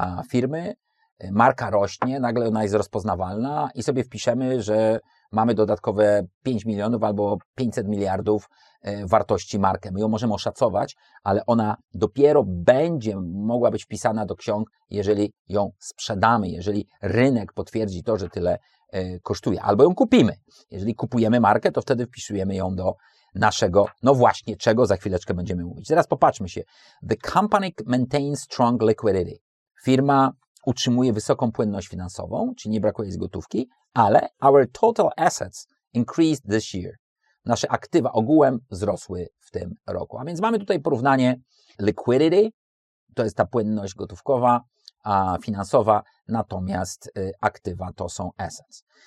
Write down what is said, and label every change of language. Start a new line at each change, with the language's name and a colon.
Polish: firmy, marka rośnie, nagle ona jest rozpoznawalna i sobie wpiszemy, że mamy dodatkowe 5 milionów albo 500 miliardów wartości markę. My ją możemy oszacować, ale ona dopiero będzie mogła być wpisana do ksiąg, jeżeli ją sprzedamy, jeżeli rynek potwierdzi to, że tyle kosztuje, albo ją kupimy. Jeżeli kupujemy markę, to wtedy wpisujemy ją do naszego, no właśnie, czego za chwileczkę będziemy mówić. Teraz popatrzmy się.
English: The company maintains strong liquidity.
Polish: Firma utrzymuje wysoką płynność finansową, czyli nie brakuje z gotówki, ale
English: our total assets increased this year.
Polish: Nasze aktywa ogółem wzrosły w tym roku. A więc mamy tutaj porównanie liquidity, to jest ta płynność gotówkowa, a finansowa, natomiast aktywa to są assets.